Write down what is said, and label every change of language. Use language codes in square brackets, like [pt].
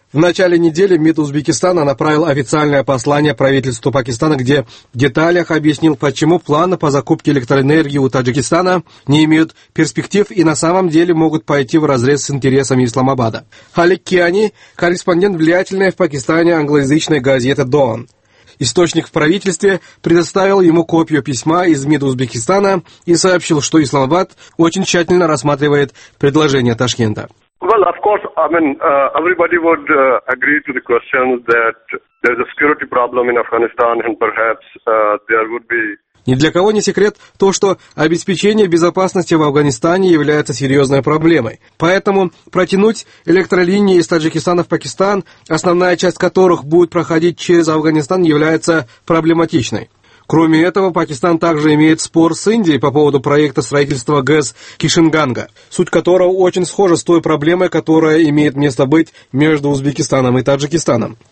[ru] В начале недели МИД Узбекистана направил официальное послание правительству Пакистана, где в деталях объяснил, почему планы по закупке электроэнергии у Таджикистана не имеют перспектив и на самом деле могут пойти вразрез с интересами Исламабада. Халик Киани, корреспондент влиятельной в Пакистане англоязычной газеты «Дон». Источник в правительстве предоставил ему копию письма из МИД Узбекистана и сообщил, что Исламабад очень тщательно рассматривает предложение Ташкента. [en] Well, of course, I mean, everybody would agree to the question that there's a security problem in Afghanistan and perhaps there would be... [ru] Ни для кого не секрет то, что обеспечение безопасности в Афганистане является серьезной проблемой. Поэтому протянуть электролинии из Таджикистана в Пакистан, основная часть которых будет проходить через Афганистан, является проблематичной. Кроме этого, Пакистан также имеет спор с Индией по поводу проекта строительства ГЭС Кишинганга, суть которого очень схожа с той проблемой, которая имеет место быть между Узбекистаном и Таджикистаном.